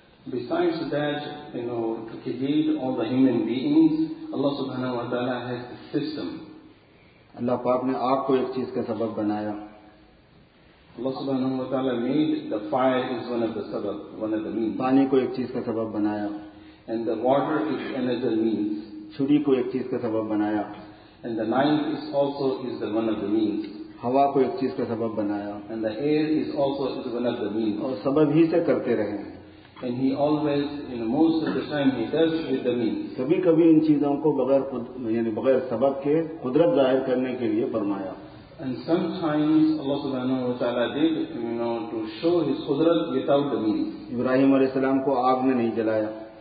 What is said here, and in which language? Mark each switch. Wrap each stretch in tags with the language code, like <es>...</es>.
<en>besides that you know to create all the human beings Allah سبحانہ و تعالیٰ has a system</en> <ur>اللہ پاک نے آگ کو ایک چیز کا سبب بنایا</ur> <en>Allah سبحانہ و تعالیٰ made the fire is one of the سبب one of the means</en> <ur>پانی کو ایک چیز کا سبب بنایا</ur> <en>and the water is another means</en> <ur>چھری کو ایک چیز کا سبب بنایا</ur> <en>and the knife is also is the one of the means</en> <ur>ہوا کو ایک چیز کا سبب بنایا</ur> <en>and the air is also is one of the means</en> <ur>اور سبب ہی سے کرتے رہے ہیں</ur> <en>and he always in most of the time he does with the means</en> <ur>کبھی کبھی ان چیزوں کو بغیر یعنی بغیر سبب کے قدرت ظاہر کرنے کے لیے فرمایا</ur> <en>and sometimes Allah سبحانہ و تعالیٰ did you know to show his قدرت without the means</en> <ur>ابراہیم علیہ السلام کو آگ میں نہیں جلایا</ur>